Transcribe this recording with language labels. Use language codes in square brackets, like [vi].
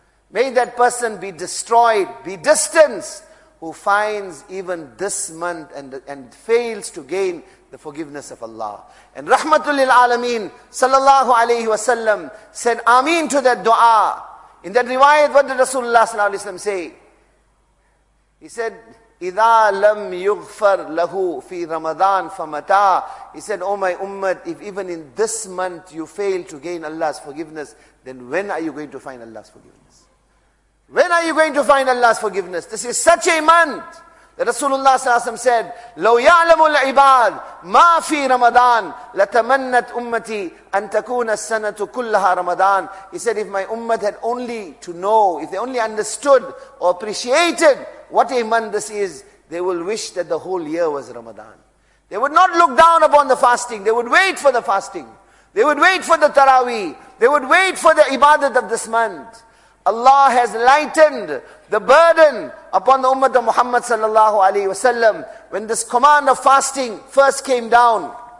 [en] May that person be destroyed, be distanced, who finds even this month and fails to gain the forgiveness of Allah. And Rahmatul Lil Alameen sallallahu alayhi wa sallam said Ameen to that dua. In that riwayat, what did Rasulullah sallallahu alayhi wa sallam say? He said, [ar] إِذَا لَمْ يُغْفَرْ لَهُ فِي رَمَضَانْ فَمَتَى. [en] He said, O my ummah, if even in this month you fail to gain Allah's forgiveness, then when are you going to find Allah's forgiveness? When are you going to find Allah's forgiveness? This is such a month. The Rasulullah sallallahu alaihi wasallam said, [ar] لَوْ يَعْلَمُ الْعِبَادِ مَا فِي رَمَضَانْ لَتَمَنَّتْ أُمَّتِي أَن تَكُونَ السَّنَةُ كُلَّهَا رَمَضَانْ. [en] He said, if my ummah had only to know, if they only understood or appreciated what a month this is, they will wish that the whole year was Ramadan. They would not look down upon the fasting. They would wait for the fasting. They would wait for the Taraweeh. They would wait for the ibadat of this month. Allah has lightened the burden upon the Ummah of Muhammad sallallahu alaihi wasallam when this command of fasting first came down.